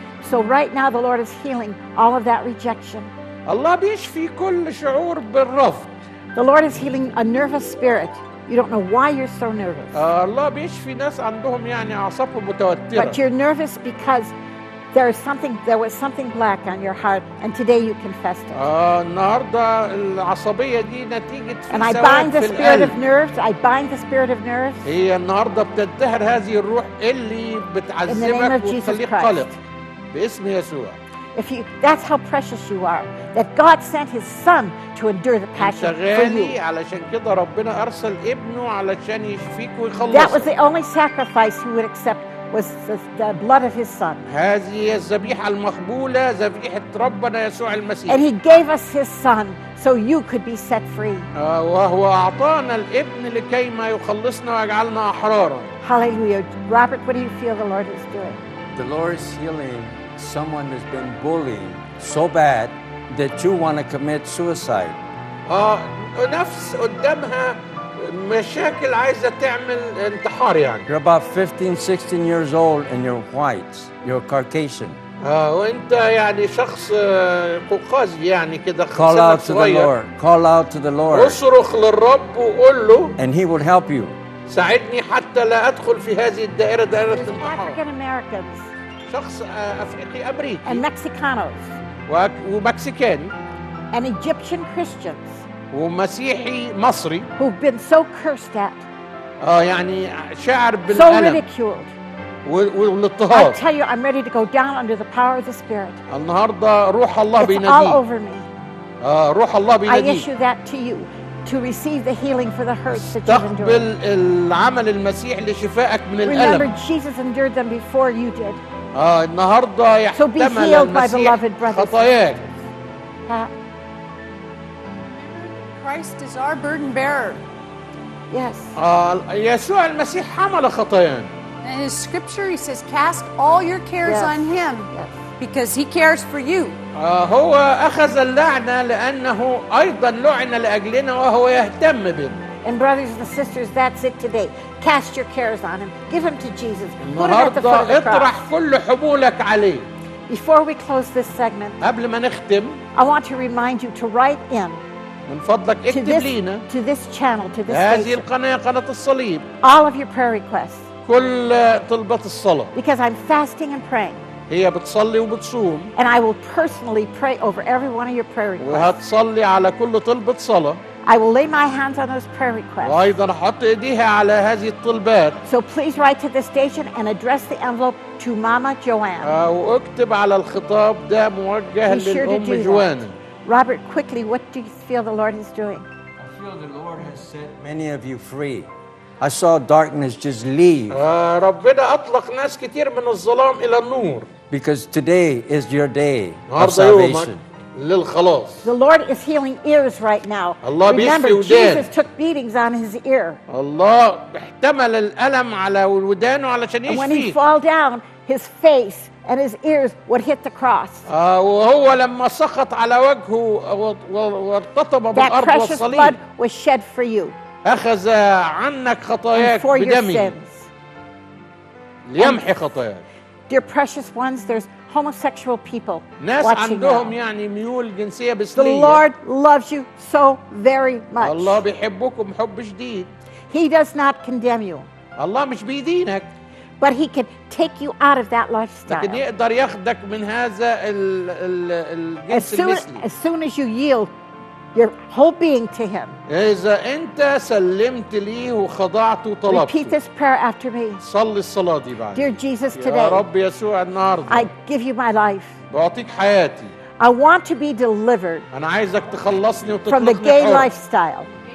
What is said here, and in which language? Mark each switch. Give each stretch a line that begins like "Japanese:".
English: So right now the Lord is healing all of that rejection.
Arabic: الله بيشفي كل شعور بالرفض.
English: The Lord is healing a nervous spirit. You don't know why you're so nervous.
Arabic: الله بيشفي ناس عندهم يعني أعصابهم متوترة.
English: But you're nervous because there is something. There was something black on your heart, and today you confessed it.
Arabic: النهارده العصبية دي نتيجة في سواد في القلب.
English: And I bind the spirit of nerves. I bind the spirit of nerves.
Arabic: هي النهارده بتنتهر هذه الروح اللي بتعذبك وتخليك قلق. باسم يسوع.
English: If you, that's how precious you are, that God sent His Son to endure the passion for you.
Arabic: انت غالي علشان كده ربنا أرسل ابنه علشان يشفيك ويخلصك.
English: That was the only sacrifice He would accept was the blood of His Son.
Arabic: هذه هي الذبيحة المقبولة, ذبيحة ربنا يسوع المسيح.
English: And He gave us His Son so you could be set free.
Arabic: وهو أعطانا الابن لكي ما يخلصنا ويجعلنا أحرارا.
English: Hallelujah. Robert, what do you feel the Lord is doing? The Lord is healing someone who's been bullied so bad that you want to commit suicide.
Arabic: نفس قدامها مشاكل عايزه تعمل انتحار يعني.
English: You're about 15, 16 years old and you're white. You're Caucasian.
Arabic: وانت يعني شخص قوقازي يعني كده.
English: Call out to the Lord. Call out to the Lord.
Arabic: اصرخ للرب وقول له.
English: And He will help you.
Arabic: ساعدني حتى لا أدخل في هذه الدائرة, دائرة الانتحار.
English: African Americans.
Arabic: شخص أفريقي أمريكي.
English: And Mexicanos.
Arabic: ومكسيكان.
English: And Egyptian Christians.
Arabic: ومسيحي مصري.
English: Who've been so cursed at.
Arabic: يعني شعر بالألم.
English: So ridiculed.
Arabic: والاضطهاد.
English: I tell you, I'm ready to go down under the power of the Spirit.
Arabic: النهاردة روح الله بيناديك.
English: It's all over me.
Arabic: روح الله بيناديك.
English: I issue that to you. To receive the healing for the hurts that you've endured.
Arabic: استقبل العمل المسيح لشفائك من الألم.
English: Remember, Jesus endured them before you did.
Arabic: النهاردة يحتمل
English: so be healed, my beloved brothers.
Arabic: خطاياك.
English: Christ is our burden bearer. Yes.
Arabic: يسوع المسيح حمل خطايانا.
English: In his scripture, he says, "Cast all your cares yes. on him." Yes. Because he cares for you.
Arabic: هو أخذ اللعنة لأنه أيضا لعن لأجلنا وهو يهتم بنا.
English: And brothers and sisters, that's it today. Cast your cares on him. Give him to Jesus. Put him at the foot of the cross.
Arabic: اطرح كل حمولك عليه.
English: Before we close this segment,
Arabic: قبل ما نختم,
English: I want to remind you to write in.
Arabic: من فضلك اكتب لينا.
English: To this channel, to this.
Arabic: هذه القناة قناة الصليب.
English: All of your prayer requests.
Arabic: كل طلبات الصلاة.
English: Because I'm fasting and praying.
Arabic: هي بتصلي وبتصوم.
English: And I will personally pray over every one of your prayer requests.
Arabic: وهتصلي على كل طلبة صلاة.
English: I will lay my hands on those prayer requests.
Arabic: وأيضا أحط إيديها على هذه الطلبات.
English: So please write to the station and address the envelope to Mama Joanne.
Arabic: وأكتب على الخطاب ده موجه للأم جوان.
English: Robert, quickly, what do you feel the Lord is doing? I feel the Lord has set many of you free. I saw darkness just leave.
Arabic: ربنا أطلق ناس كتير من الظلام إلى النور.
English: Because today is your day of salvation.
Arabic: للخلاص.
English: The Lord is healing ears right now.
Arabic: الله بيشفي ودان.
English: Remember, Jesus took beatings on his ear.
Arabic: الله احتمل الألم على ودانه علشان يشفي.
English: And when he fell down, his face and his ears would hit the cross.
Arabic: وهو لما سقط على وجهه وارتطم بالأرض والصليب.
English: That precious blood was shed for you.
Arabic: أخذ عنك خطاياك بدمي. ليمحي خطاياك.
English: Dear precious ones, there's homosexual people
Arabic: ناس
English: watching
Arabic: عندهم
English: now.
Arabic: يعني ميول جنسية بسلية.
English: The Lord loves you so very much.
Arabic: الله بيحبكم حب شديد.
English: He does not condemn you.
Arabic: الله مش بيدينك.
English: But he can take you out of that lifestyle.
Arabic: لكن يقدر ياخدك من هذا الجنس المثلي.
English: As soon as you yield your whole being to him.
Arabic: إذا أنت سلمت ليه وخضعت وطلبت.
English: Repeat this prayer after me.
Arabic: صلي الصلاة دي بعد.
English: Dear Jesus, today.
Arabic: يا رب يسوع النهاردة.
English: I give you my life.
Arabic: بعطيك حياتي.
English: I want to be delivered.
Arabic: أنا عايزك تخلصني وتطلقني.
English: From the gay lifestyle.